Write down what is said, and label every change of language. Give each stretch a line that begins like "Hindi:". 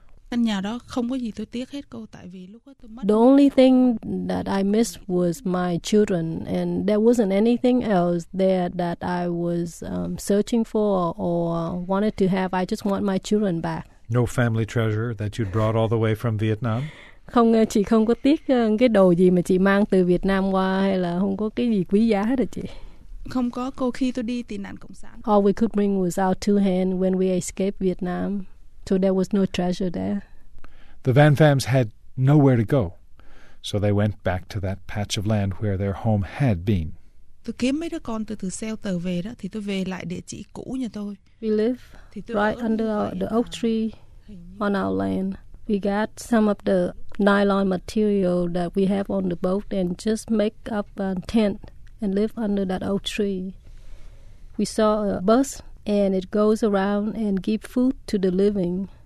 English: The only thing that I missed was my children, and there wasn't anything else there that I was searching for or wanted to have. I just want my children back. No family treasure that you'd brought all the way from Vietnam?
Vietnamese: Không, chị không có tiếc cái đồ gì mà chị mang từ Việt Nam qua hay là không có cái gì quý giá hết à chị? Không có, cô khi tôi đi tị nạn cộng sản.
English: All we could bring was our two hands when we escaped Vietnam. So there was no treasure there. The Van Fams had nowhere to go. So they went back to that patch of land where their home had been.
Vietnamese: Tôi kiếm mấy đứa con từ từ xeo tờ về đó, thì tôi về lại địa chỉ cũ nhà tôi.
English: We live right under the oak tree on our land. We got some of the nylon material that we have on the boat and just make up a tent and live under that oak tree. We saw a bus and it goes around and give food to the living.